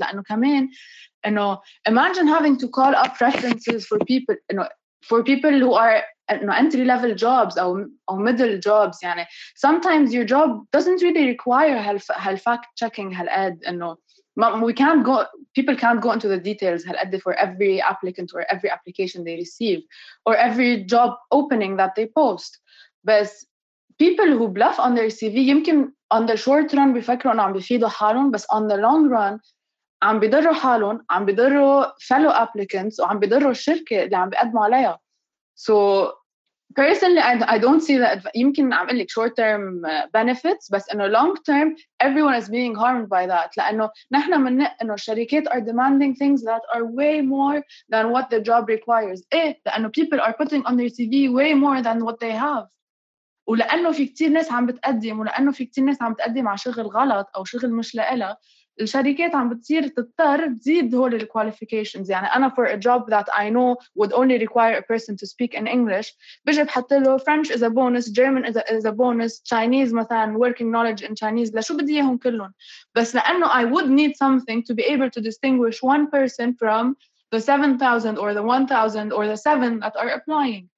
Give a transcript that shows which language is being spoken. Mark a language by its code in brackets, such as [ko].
[ar] لأنه كمان إنه [en] imagine having to call up references for people for people who are entry level jobs or middle jobs. [ar] يعني [en] sometimes your job doesn't really require هال fact checking هال ad. People can't go into the details هال ad for every applicant or every application they receive or every job opening that they post. But people who bluff on their CV, [ar] يمكن [en] on the short run [ar] بيفكروا انه عم بيفيدوا حالهم, [en] but on the long run [ar] عم بيضروا حالهم, عم بيضروا [en] fellow applicants, [ar] وعم بيضروا الشركة اللي عم بيقدموا عليها. [en] So personally, I don't see that. [ar] يمكن عم قلك [en] short-term benefits, [ar] بس إنه [en] long-term, everyone is being harmed by that. [ar] لأنه نحنا من إنه الشركات [en] are demanding things that are way more than what the job requires. [ar] إيه, لأنه [en] people are putting on their CV way more than what they have. [ar] ولأنه في كتير ناس عم بتقدم, ولأنه في كتير ناس عم بتقدم على شغل غلط أو شغل مش لإلها, الشركات عم بتصير تضطر تزيد هول [en] الكواليفيكيشنز. [ar] يعني أنا [en] for a job that I know would only require a person to speak in English, [ar] بجي بحط له [en] French is a bonus, German is a bonus, Chinese مثلا working knowledge in Chinese, [ar] لشو بدي إياهم كلهم؟ بس لأنه [en] I would need something to be able to distinguish one person from the 7,000 or the 1,000 or the 7 that are applying.